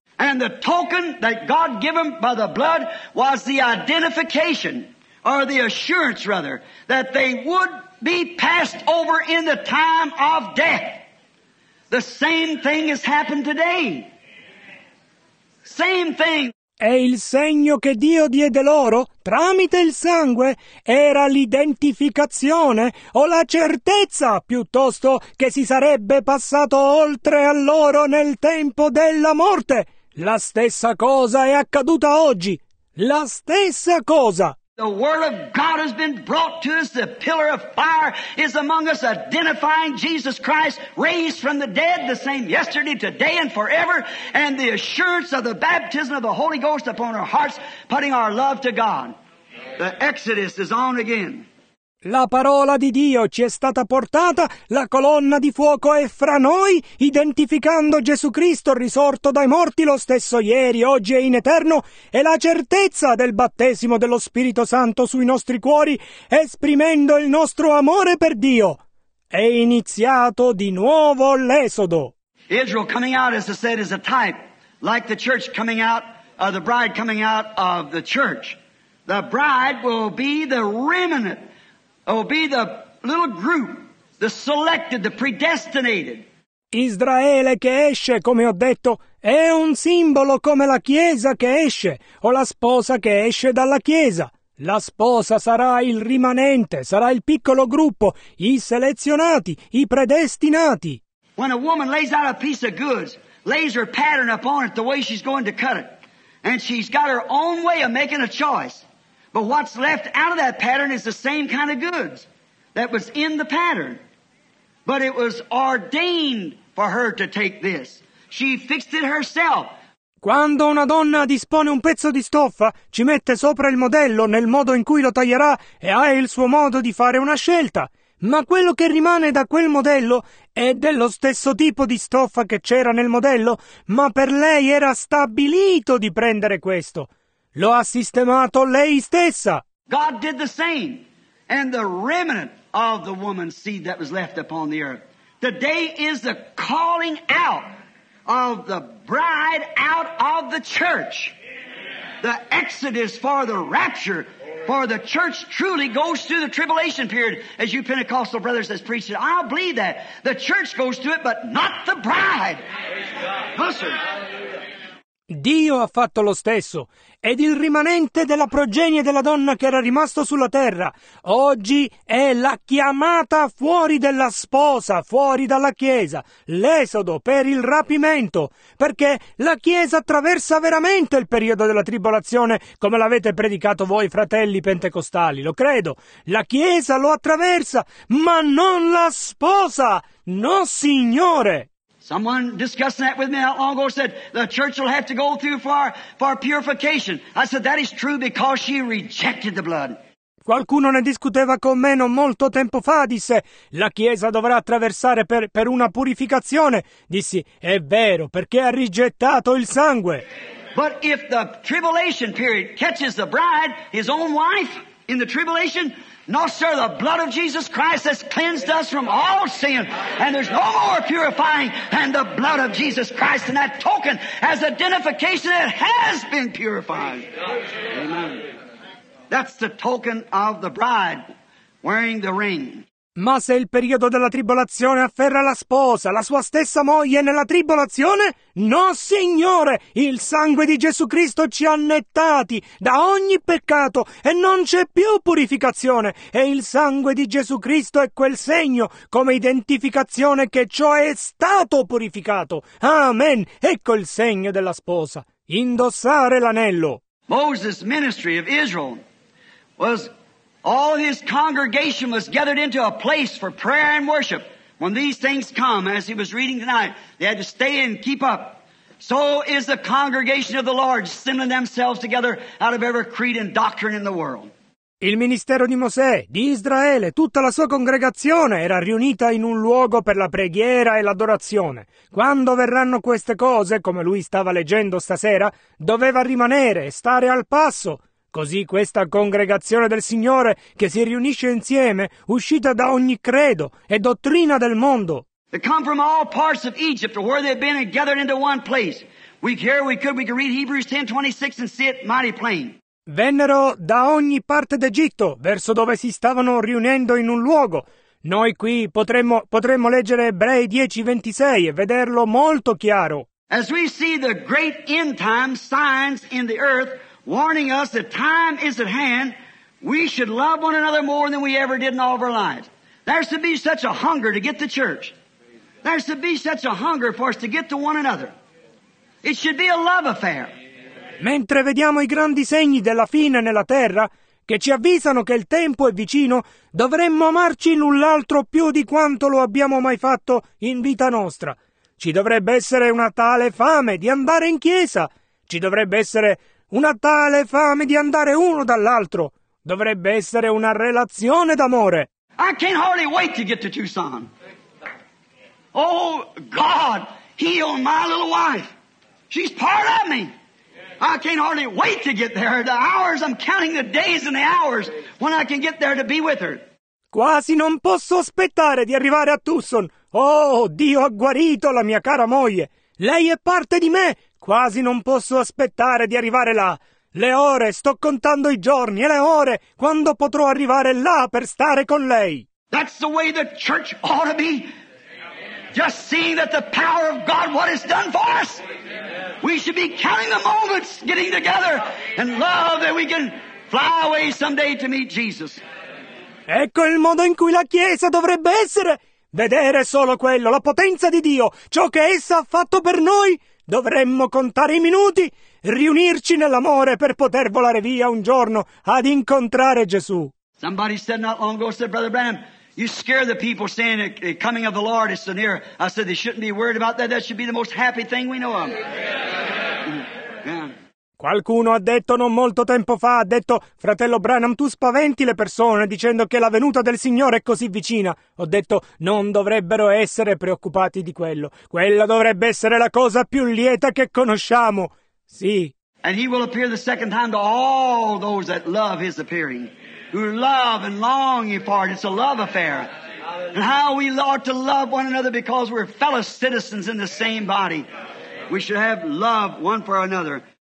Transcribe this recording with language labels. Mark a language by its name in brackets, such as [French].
[English] And the token that God given by the blood was the identification, or the assurance rather, that they would be passed over in the time of death. The same thing has happened today. Same thing. [Italian] E il segno che Dio diede loro, tramite il sangue, era l'identificazione, o la certezza, piuttosto, che si sarebbe passato oltre a loro nel tempo della morte. La stessa cosa è accaduta oggi. La stessa cosa. [English] The word of God has been brought to us. The pillar of fire is among us, identifying Jesus Christ raised from the dead, the same yesterday, today, and forever. And the assurance of the baptism of the Holy Ghost upon our hearts, putting our love to God. The Exodus is on again. [Italian] La parola di Dio ci è stata portata, la colonna di fuoco è fra noi, identificando Gesù Cristo risorto dai morti lo stesso ieri, oggi e in eterno, e la certezza del battesimo dello Spirito Santo sui nostri cuori, esprimendo il nostro amore per Dio. È iniziato di nuovo l'Esodo. [English] Israel coming out, as I said, is a type, like the church coming out, the bride coming out of the church. The bride will be the remnant. It will be the little group, the selected, the predestinated. [Italian] Israele che esce, come ho detto, è un simbolo come la Chiesa che esce, o la sposa che esce dalla Chiesa. La sposa sarà il rimanente, sarà il piccolo gruppo, i selezionati, i predestinati. [English] When a woman lays out a piece of goods, lays her pattern upon it the way she's going to cut it, and she's got her own way of making a choice. But what's left out of that pattern is the same kind of goods that was in the pattern. But it was ordained for her to take this. She fixed it herself. [Italian] Quando una donna dispone un pezzo di stoffa, ci mette sopra il modello nel modo in cui lo taglierà e ha il suo modo di fare una scelta. Ma quello che rimane da quel modello è dello stesso tipo di stoffa che c'era nel modello, ma per lei era stabilito di prendere questo. Lo ha sistemato lei stessa. [English] God did the same, and the remnant of the woman's seed that was left upon the earth. Today is the calling out of the bride out of the church. The exodus for the rapture, for the church truly goes through the tribulation period, as you Pentecostal brothers has preached it. I'll believe that. The church goes through it, but not the bride. Listen. [Italian] Dio ha fatto lo stesso, ed il rimanente della progenie della donna che era rimasto sulla terra, oggi è la chiamata fuori della sposa, fuori dalla chiesa, l'esodo per il rapimento, perché la chiesa attraversa veramente il periodo della tribolazione, come l'avete predicato voi, fratelli pentecostali, lo credo, la chiesa lo attraversa, ma non la sposa, no signore! [English] Someone discussing that with me not long ago said, the church will have to go through for purification. I said, that is true because she rejected the blood. [Italian] Qualcuno ne discuteva con me non molto tempo fa, disse, la Chiesa dovrà attraversare per una purificazione. Dissi, è vero, perché ha rigettato il sangue. [English] But if the tribulation period catches the bride, his own wife, in the tribulation, no, sir, the blood of Jesus Christ has cleansed us from all sin, and there's no more purifying than the blood of Jesus Christ, and that token as identification that has been purified. Amen. That's the token of the bride wearing the ring. [Italian] Ma se il periodo della tribolazione afferra la sposa, la sua stessa moglie nella tribolazione? No, Signore! Il sangue di Gesù Cristo ci ha annettati da ogni peccato e non c'è più purificazione. E il sangue di Gesù Cristo è quel segno come identificazione che ciò è stato purificato. Amen! Ecco il segno della sposa. Indossare l'anello. [English] Moses' ministry of Israel was... All his congregation was gathered into a place for prayer and worship. When these things come, as he was reading tonight, they had to stay and keep up. So is the congregation of the Lord, assembling themselves together out of every creed and doctrine in the world. [Italian] Il ministero di Mosè, di Israele, tutta la sua congregazione era riunita in un luogo per la preghiera e l'adorazione. Quando verranno queste cose, come lui stava leggendo stasera, doveva rimanere e stare al passo. Così questa congregazione del Signore che si riunisce insieme, uscita da ogni credo e dottrina del mondo. [English] They come from all parts of Egypt, where they've been and gathered into one place. We could read Hebrews 10:26 and see it mighty plain. [Italian] Vennero da ogni parte d'Egitto, verso dove si stavano riunendo in un luogo. Noi qui potremmo leggere Ebrei 10:26 e vederlo molto chiaro. [English] As we see the great end time signs in the earth, warning us that time is at hand, we should love one another more than we ever did in all of our lives. There should be such a hunger to get to church. There should be such a hunger for us to get to one another. It should be a love affair. [Italian] Mentre vediamo i grandi segni della fine nella terra, che ci avvisano che il tempo è vicino, dovremmo amarci l'un l'altro più di quanto lo abbiamo mai fatto in vita nostra. Ci dovrebbe essere una tale fame di andare in chiesa. Ci dovrebbe essere una tale fame di andare uno dall'altro. Dovrebbe essere una relazione d'amore. [English] I can't hardly wait to get to Tucson. Oh, God, heal my little wife. She's part of me. I can't hardly wait to get there. The hours, I'm counting the days and the hours when I can get there to be with her. [Italian] Quasi non posso aspettare di arrivare a Tucson. Oh, Dio ha guarito la mia cara moglie. Lei è parte di me. Quasi non posso aspettare di arrivare là. Le ore, sto contando i giorni e le ore, quando potrò arrivare là per stare con lei. [English] That's the way the church ought to be. Just seeing that the power of God, what it's done for us. We should be counting the moments, getting together, and love that we can fly away someday to meet Jesus. [Italian] Ecco il modo in cui la Chiesa dovrebbe essere. Vedere solo quello, la potenza di Dio, ciò che essa ha fatto per noi. Dovremmo contare i minuti, riunirci nell'amore per poter volare via un giorno ad incontrare Gesù. [English] Somebody said not long ago, said Brother Branham, you scare the people saying the coming of the Lord is so near. I said they shouldn't be worried about that. That should be the most happy thing we know of. Yeah. [Italian] Qualcuno ha detto non molto tempo fa, ha detto, fratello Branham, tu spaventi le persone dicendo che la venuta del Signore è così vicina. Ho detto, non dovrebbero essere preoccupati di quello. Quella dovrebbe essere la cosa più lieta che conosciamo. Sì. [English] And he will appear the second time to all those that love his appearing. Who love and long for it. It's a love affair. And how we ought to love one another because we're fellow citizens in the same body. We should have love one for another.